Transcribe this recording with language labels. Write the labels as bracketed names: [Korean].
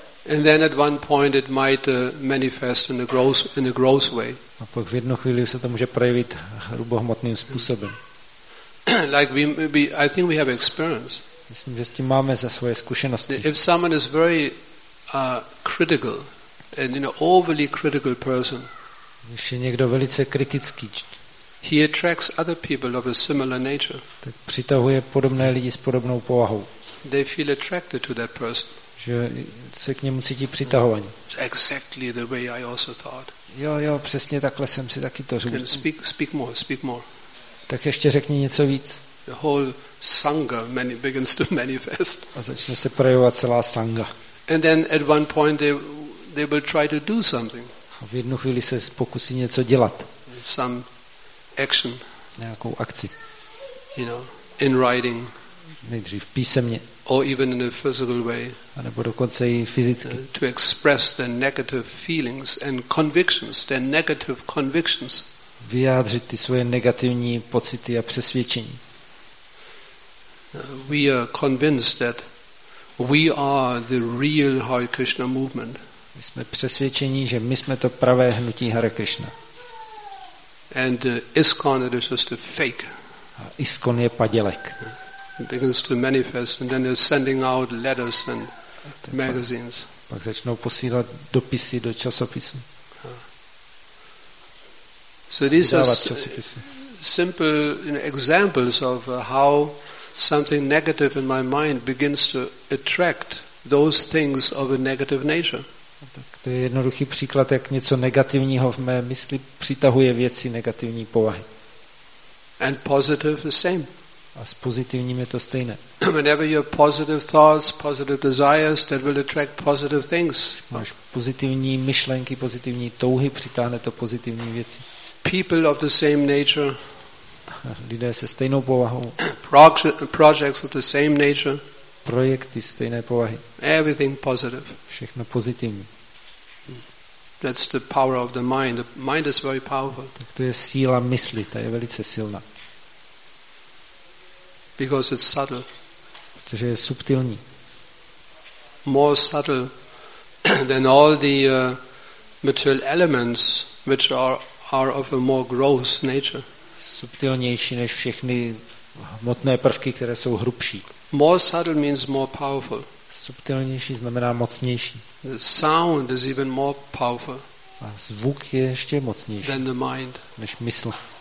[English] And then at one point it might manifest in a gross way. [Czech] A pak v jednu chvíli se to může projevit hrubohmotným způsobem. [English] Like I think we have experience. [Czech] Myslím, že s tím máme za svoje zkušenosti. [English] If someone is very critical and you know overly critical person. [Czech] Když je někdo velice kritický. [English] He attracts other people of a similar nature. [Czech] Tak přitahuje podobné lidi s podobnou povahou. [English] They feel attracted to that person. [Czech] Že se k němu cítí přitahovaní. [English] Exactly the way I also thought. [Czech] Jo, přesně takhle jsem si taky to řekl. [English] Speak more. [Czech] Tak ještě řekni něco víc. [English] The whole sangha begins to manifest. [Czech] A začne se projevovat celá sangha. [English] And then at one point they will try to do something. [Czech] A v jednu chvíli se pokusí něco dělat. [English] Some action. [Czech] Nějakou akci. [English] You know, in writing. [Czech] Nejdřív písemně. [English] Or even in a physical way. [Czech] A nebo dokonce i fyzicky. [English] To express their negative feelings and convictions, their negative convictions. [Czech] Vyjádřit ty svoje negativní pocity a přesvědčení. [English] We are convinced that we are the real Hare Krishna movement. [Czech] My jsme přesvědčeni, že my jsme to pravé hnutí Hare Krishna. [English] And ISKCON is just a fake. [Czech] A ISKCON je padělek. [English] It begins to manifest and then they're sending out letters and magazines. [Czech] Pak začnou posílat dopisy do časopisů. [English] So these are simple examples of how something negative in my mind begins to attract those things of a negative nature. [Czech] Tak to je jednoduchý příklad, jak něco negativního v mé mysli přitahuje věci negativní povahy. [English] And positive the same. [Czech] A s pozitivním je to stejné. [English] Whenever you have positive thoughts, positive desires, that will attract positive things. [Czech] Máš pozitivní myšlenky, pozitivní touhy, přitáhne to pozitivní věci. [English] People of the same nature. [Czech] Lidé se stejnou povahou. [English] Projects of the same nature. [Czech] Projekty stejné povahy. [English] Everything positive. [Czech] Všechno pozitivní. [English] That's the power of the mind. The mind is very powerful. [Czech] Tak to je síla mysli, ta je velice silná. [English] Because it's subtle. [Czech] Protože je subtilní. [English] More subtle than all the material elements which are of a more gross nature. [Czech] Subtilnější než všechny hmotné prvky, které jsou hrubší. [English] More subtle means more powerful. [Czech] Subtilnější znamená mocnější. [English] The sound is even more powerful. [Czech] A zvuk je ještě mocnější. [English] Than the mind. [Czech] Než mysl.